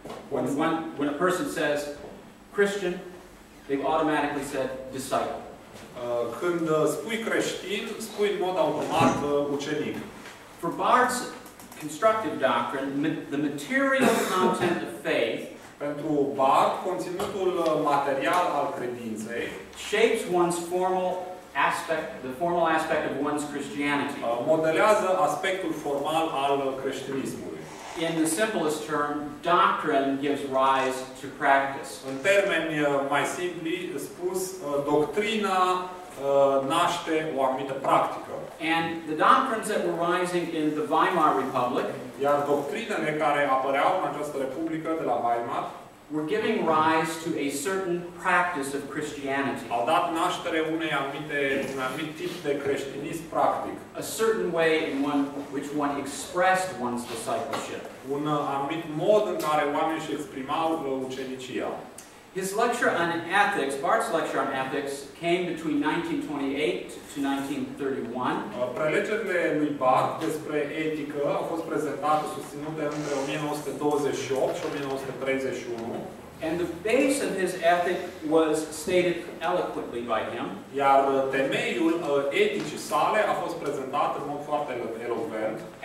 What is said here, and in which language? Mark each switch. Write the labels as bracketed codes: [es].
[en] When a person says Christian, they've automatically said disciple. [ro] Când spui creștin, spui în mod automat ucenic. [en] For Barth's constructive doctrine, the material content of faith, [ro] pentru Barth, conținutul material al credinței, [en] shapes one's formal aspect, the formal aspect of one's Christianity. [ro] Modelează aspectul formal al creștinismului. [en] In the simplest term, doctrine gives rise to practice. [ro] În termeni mai simpli spus, doctrina naște o anumită practică. [en] And the doctrines that were rising in the Weimar Republic, [ro] iar doctrinele care apăreau în această republică de la Weimar, [en] were giving rise to a certain practice of Christianity. [ro] Au dat naștere unui anumit tip de creștinism practic. [en] A certain way in which one expressed one's discipleship. [ro] Un anumit mod în care oamenii își exprimau ucenicia. [en] His lecture on ethics, Bart's lecture on ethics, came between 1928 to 1931. [ro] Prelegerile lui Bart despre etică au fost prezentate, susținute, între 1928 și 1931. [en] And the base of his ethic was stated eloquently by him. [ro] Iar temeiul eticii sale a fost prezentat în mod foarte elocvent.